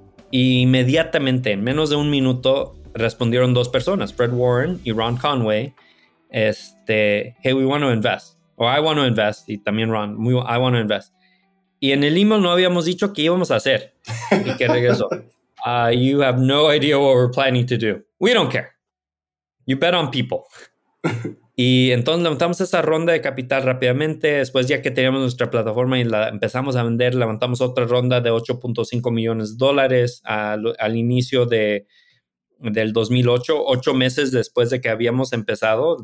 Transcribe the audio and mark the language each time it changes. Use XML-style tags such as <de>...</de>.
<es>Y inmediatamente, en menos de un minuto, respondieron dos personas, Fred Warren y Ron Conway,</es> <en>hey, we want to invest,</en> <es>o</es> <en>I want to invest,</en> <es>y también Ron, I want to invest. Y en el email no habíamos dicho qué íbamos a hacer, y que regresó.</es> <en>You have no idea what we're planning to do. We don't care. You bet on people.</en> <es>Y entonces levantamos esa ronda de capital rápidamente. Después, ya que teníamos nuestra plataforma y la empezamos a vender, levantamos otra ronda de $8.5 millones al inicio del 2008, 8 meses después de que habíamos empezado.</es>